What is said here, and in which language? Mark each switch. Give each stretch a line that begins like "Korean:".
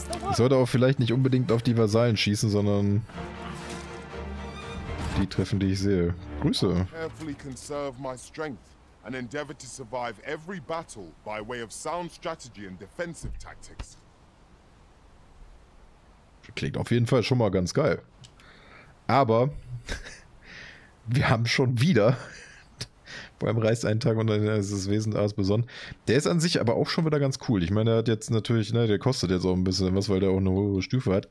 German: Ich sollte auch vielleicht nicht unbedingt auf die Vasallen schießen, sondern die treffen, die ich sehe. Grüße.
English: Carefully conserve my strength and endeavor to survive every battle by way of sound strategy and defensive tactics.
German: Klingt auf jeden Fall schon mal ganz geil. Aber wir haben schon wieder. Vor allem reist einen Tag und dann ist das Wesen alles besonnen. Der ist an sich aber auch schon wieder ganz cool. Ich meine, der hat jetzt natürlich, ne, der kostet jetzt auch ein bisschen was, weil der auch eine hohe Stufe hat.